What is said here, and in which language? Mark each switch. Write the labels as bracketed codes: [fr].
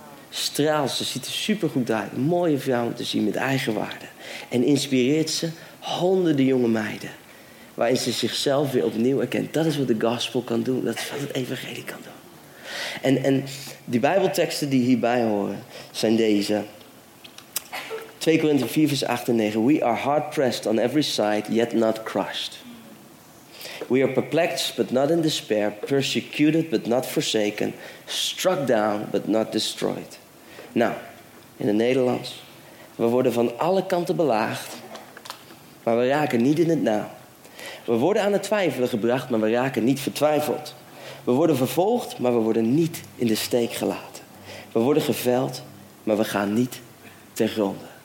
[nl] Straalt ze, ziet er supergoed uit. Mooie vrouw om te zien met eigen waarde. En inspireert ze honderden jonge meiden. Waarin ze zichzelf weer opnieuw erkent. Dat is wat de gospel kan doen. Dat is wat het evangelie kan doen. En die bijbelteksten die hierbij horen zijn deze. 2 Korinthe 4 vers 8 en 9. [en] We are hard pressed on every side, yet not crushed. We are perplexed, but not in despair. Persecuted, but not forsaken. Struck down, but not destroyed. [nl] Nou, in het Nederlands. We worden van alle kanten belaagd, maar we raken niet in het nauw. We worden aan het twijfelen gebracht, maar we raken niet vertwijfeld. We worden vervolgd, maar we worden niet in de steek gelaten. We worden geveld, maar we gaan niet ten gronde.